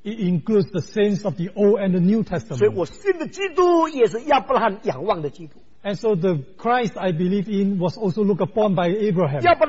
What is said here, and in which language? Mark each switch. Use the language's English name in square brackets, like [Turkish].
[English] It includes the saints of the Old and the New Testament. [Chinese] 所以我信的基督也是亚伯拉罕仰望的基督。 [English] And so the Christ I believe in was also looked upon by Abraham.